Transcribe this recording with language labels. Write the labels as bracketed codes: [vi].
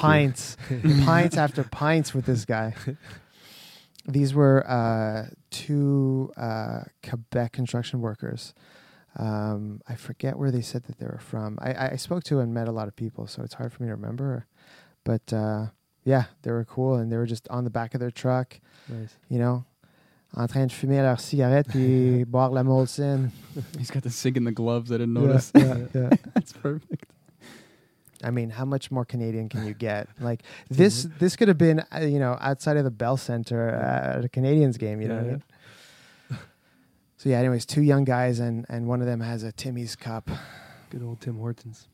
[en] Pints, pints after pints with this guy. These were two Quebec construction workers. I forget where they said that they were from. I spoke to and met a lot of people, so it's hard for me to remember. But yeah, they were cool and they were just on the back of their truck, nice. You know. [fr] En train de fumer leur cigarette puis boire la Molson. [en] He's got the sink in the gloves. I didn't notice. Yeah. That's perfect. I mean, how much more Canadian can you get? Like this could have been, you know, outside of the Bell Center at a Canadians game. You know what I mean? So yeah. Anyways, two young guys and one of them has a Timmy's cup. Good old Tim Hortons.